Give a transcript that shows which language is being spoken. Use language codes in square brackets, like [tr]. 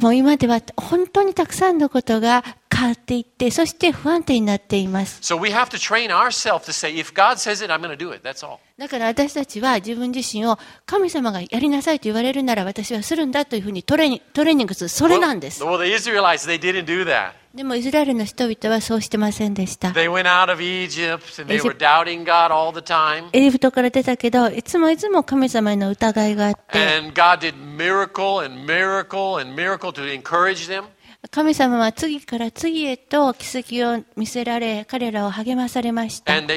[ja] もう今では本当にたくさんのことが変わっていって、そして不安定になっています。 [en] So we have to train ourselves to say, if God says it, I'm going to do it. That's all. [ja] だから私たちは自分自身を神様がやりなさいと言われるなら私はするんだというふうにトレーニングする。それなんです。 [en] Well, the Israelites, they didn't do that. [ja] でもイスラエルの人々はそうしてませんでした。 [en] They went out of Egypt and they were doubting God all the time. [ja] エジプトから出たけど、いつもいつも神様への疑いがあって。 [en] And God did miracle and miracle and miracle to encourage them. [ja] 神様は次から次へと奇跡を見せられ、彼らを励まされました。